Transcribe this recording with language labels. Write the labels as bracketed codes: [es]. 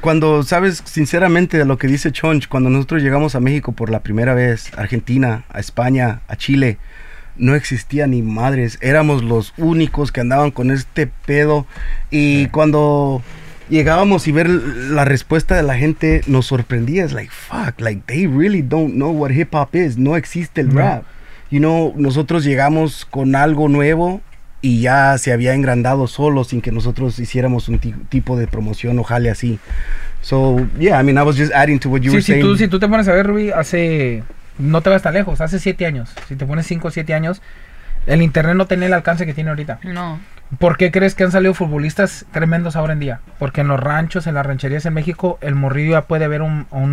[es] Cuando sabes, sinceramente, lo que dice Chonch, cuando nosotros llegamos a México por la primera vez, a Argentina, a España, a Chile, no existía ni madres. Éramos los únicos que andaban con este pedo. Y cuando llegábamos y ver la respuesta de la gente, nos sorprendía. Es [en] like, fuck, like, they really don't know what hip hop is. [es] No existe el rap. [en] You know, [es] nosotros llegamos con algo nuevo y ya se había engrandado solo sin que nosotros hiciéramos un tipo de promoción o jale así. [en] So, yeah, I mean, I was just adding to what you [es] sí, [en] were [es] si [en] saying. [es] Tú, si tú te pones a ver, Ruby, hace, no te vas tan lejos, hace 7 años. Si te pones 5 o 7 años, el internet no tenía el alcance que tiene ahorita. No. ¿Por qué crees que han salido futbolistas tremendos ahora en día? Porque en los ranchos, en las rancherías en México, el morrillo ya puede ver un